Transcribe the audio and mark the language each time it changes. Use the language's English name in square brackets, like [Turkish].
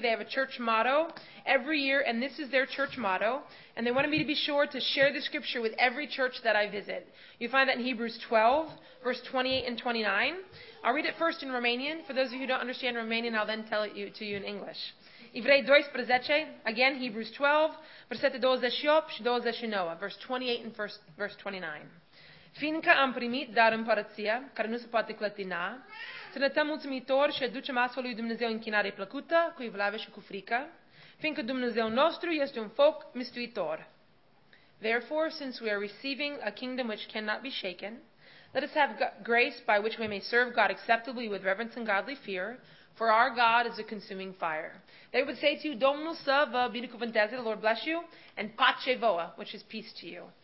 [English] They have a church motto every year, and this is their church motto. And they wanted me to be sure to share the scripture with every church that I visit. You find that in Hebrews 12, verse 28 and 29. I'll read it first in Romanian. For those of you who don't understand Romanian, I'll then tell it to you in English. [Romanian] Evrei 12, [English] again, Hebrews 12, [Romanian] versete 28 și 29, [English] verse 28 and verse 29. [Romanian] Fiindcă am primit dar împărăția, care nu se poate clătina, să ne stăm mulțumitori și aducem astfel lui Dumnezeu închinare plăcută, cu evlavie și cu frică, fiindcă Dumnezeu nostru este un foc mistuitor. [English] Therefore, since we are receiving a kingdom which cannot be shaken, let us have grace by which we may serve God acceptably with reverence and godly fear, for our God is a consuming fire. They would say to you, [Romanian] Domnul să vă binecuvânteze, [English] the Lord bless you, and [Romanian] pace voa, [English] which is peace to you.